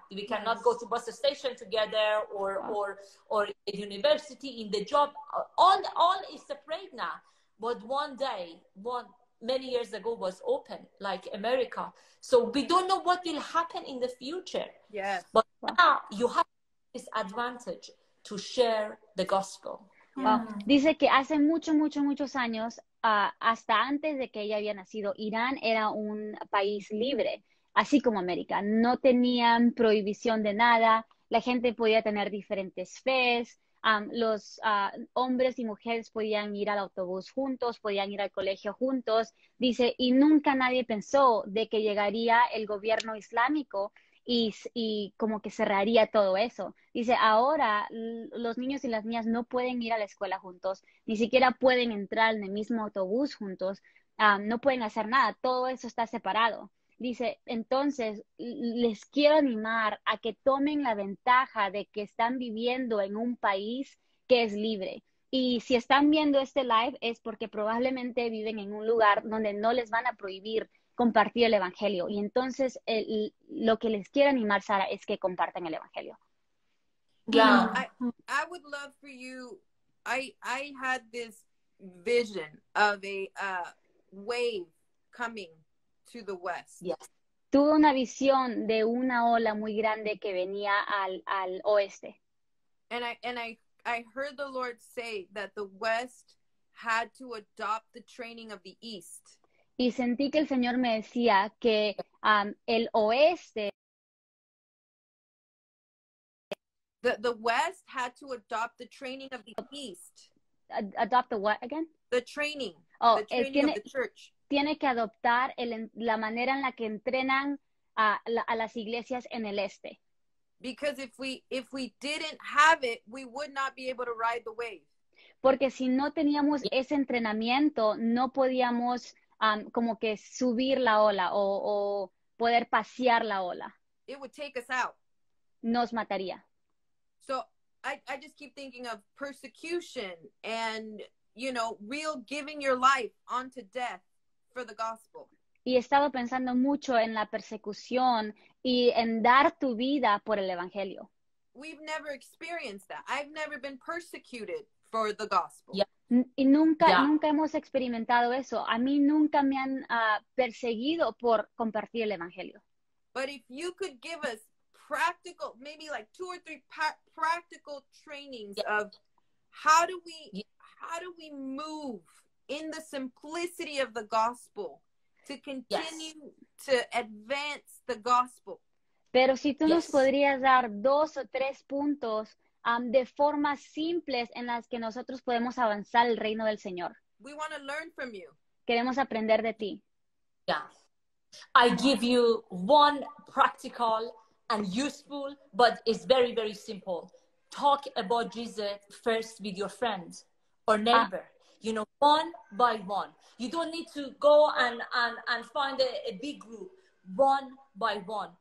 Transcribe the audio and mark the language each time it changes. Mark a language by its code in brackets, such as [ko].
[en] We cannot go to bus station together or a university in the job. All is separate now. But one day, many years ago, was open, like America. So we don't know what will happen in the future. Yes. But now you have this advantage to share the gospel. Wow. [es] Dice que hace muchos, muchos, muchos años, hasta antes de que ella había nacido, Irán era un país libre, así como América. No tenían prohibición de nada, la gente podía tener diferentes fees, los hombres y mujeres podían ir al autobús juntos, podían ir al colegio juntos, dice, y nunca nadie pensó de que llegaría el gobierno islámico y como que cerraría todo eso. Dice, ahora los niños y las niñas no pueden ir a la escuela juntos, ni siquiera pueden entrar en el mismo autobús juntos, no pueden hacer nada, todo eso está separado. Dice, entonces, les quiero animar a que tomen la ventaja de que están viviendo en un país que es libre. Y si están viendo este live es porque probablemente viven en un lugar donde no les van a prohibir compartir el evangelio. Y entonces, lo que les quiero animar, Sara, es que compartan el evangelio. [en] You know, I would love for you. I had this vision of a wave coming to the West. Yes. [es] Tuve una visión de una ola muy grande que venía al oeste. [en] And I heard the Lord say that the West had to adopt the training of the East. [es] Y sentí que el Señor me decía que el oeste. [en] The West had to adopt the training of the East. Adopt the what again? The training. Oh, the training [es] tiene, [en] of the church. [es] Tiene que adoptar la manera en la que entrenan a las iglesias en el este. [en] Because if we didn't have it, we would not be able to ride the wave. [es] Porque si no teníamos ese entrenamiento, no podíamos como que subir la ola o poder pasear la ola. [en] It would take us out. [es] Nos mataría. [en] So I just keep thinking of persecution and, you know, real giving your life unto death for the gospel. [es] Y estaba pensando mucho en la persecución y en dar tu vida por el evangelio. [en] We've never experienced that. I've never been persecuted for the gospel. [es] Yeah. Y nunca, yeah. Nunca hemos experimentado eso. A mí nunca me han perseguido por compartir el evangelio. [en] But if you could give us practical, maybe like two or three practical trainings, yeah, of how do we move in the simplicity of the gospel to continue, yes, to advance the gospel. [es] Pero si tú, yes, nos podrías dar dos o tres puntos de formas simples en las que nosotros podemos avanzar el reino del Señor. [en] We want to learn from you. [es] Queremos aprender de ti. [en] Yes. I give you one practical and useful, but it's very, very simple. Talk about Jesus first with your friends or neighbor, you know, one by one. You don't need to go and find a big group, one by one.